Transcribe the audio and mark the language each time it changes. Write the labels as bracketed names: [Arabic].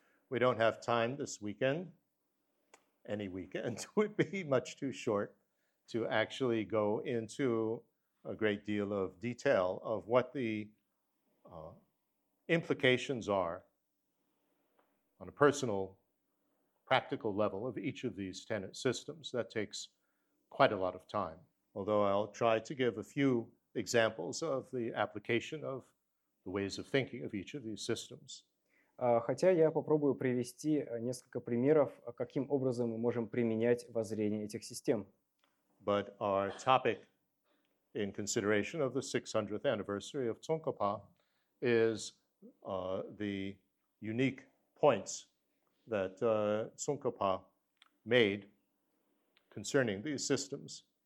[English] We don't have time this weekend, any weekend would be much too short to actually go into a great deal of detail of what the implications are on a personal, practical level of each of these tenet systems. That takes quite a lot of time. Although I'll try to give a few examples of the application of the ways of thinking of each of these systems. [Russian] Хотя я попробую привести несколько примеров, каким образом мы можем применять воззрение этих систем. [English] But our topic in consideration of the 600th anniversary of Tsongkhapa is the unique points that Tsongkhapa made concerning these systems.